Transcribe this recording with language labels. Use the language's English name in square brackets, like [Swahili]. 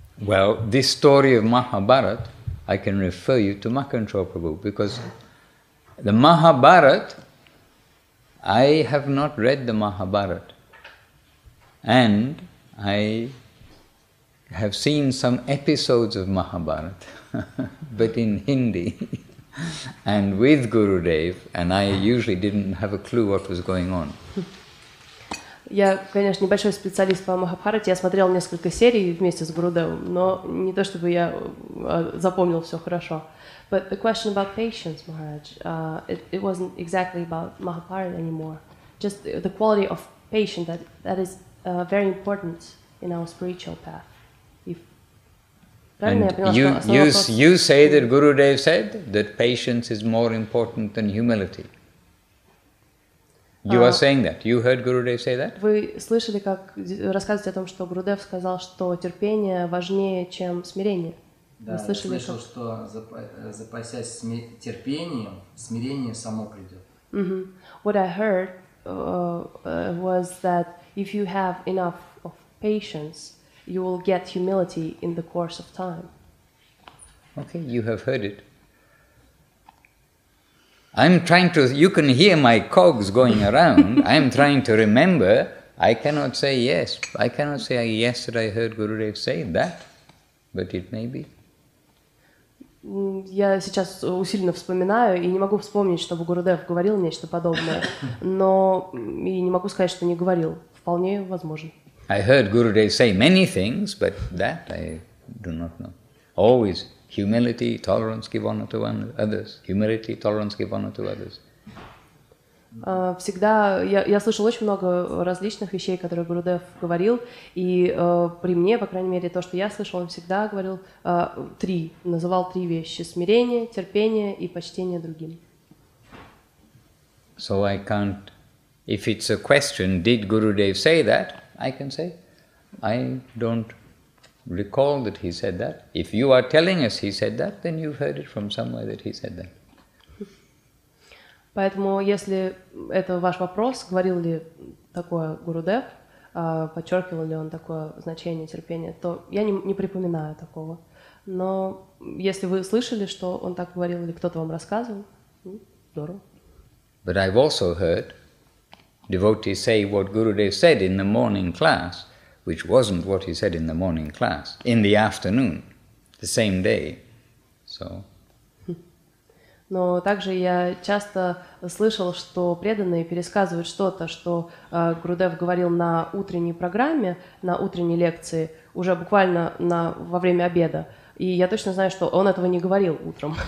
[English] Well, this story of Mahabharata, I can refer you to Makhanchal Prabhu, because the Mahabharata, I have not read the Mahabharata. And I have seen some episodes of Mahabharata, but in Hindi. And with Gurudev, and I usually didn't have a clue what was going on. [Russian] Я, конечно, небольшой специалист по Махабхарате. Я смотрел несколько серий вместе с Гурудевом, но не то чтобы я запомнил все хорошо. [English] But the question about patience, Maharaj, it wasn't exactly about Mahabharata anymore. Just the quality of patience that is very important in our spiritual path. And you say that Gurudev said that patience is more important than humility. You are saying that. You heard Gurudev say that? [Russian] Вы слышали, как рассказывать о том, что Гурудев сказал, что терпение важнее, чем смирение? Да, я слышал, как... что запасясь терпением, смирение само придет. [English] What I heard was that if you have enough of patience, you will get humility in the course of time. Okay, you have heard it. I'm trying to... You can hear my cogs going around. I'm trying to remember. I cannot say yes. I cannot say yes that I heard Gurudev say that. But it may be. [Russian] Я сейчас усиленно вспоминаю и не могу вспомнить, чтобы Гурудев говорил нечто подобное. Но и не могу сказать, что не говорил. Вполне возможно. [English] I heard Gurudev say many things, but that I do not know. Always humility, tolerance, give honor to others. Humility, tolerance, give honor to others. [Russian] Всегда я слышал очень много различных вещей, которые Гурудев говорил, и при мне, по крайней мере, то, что я слышал, он всегда говорил три, называл три вещи: смирение, терпение и почтение другим. [English] So I can't. If it's a question, did Gurudev say that? I can say, I don't recall that he said that. If you are telling us he said that, then you've heard it from somewhere that he said that. [Russian] Поэтому, если это ваш вопрос, говорил ли такое Гурудев, подчеркивал ли он такое значение терпения, то я не припоминаю такого. Но если вы слышали, что он так говорил или кто-то вам рассказывал, здорово. [English] But I've also heard devotees say what Gurudev said in the morning class, which wasn't what he said in the morning class, in the afternoon, the same day. So. [Russian] Но также я часто слышал, что преданные пересказывают что-то, что Гурудев говорил на утренней программе, на утренней лекции, уже буквально во время обеда. И я точно знаю, что он этого не говорил утром.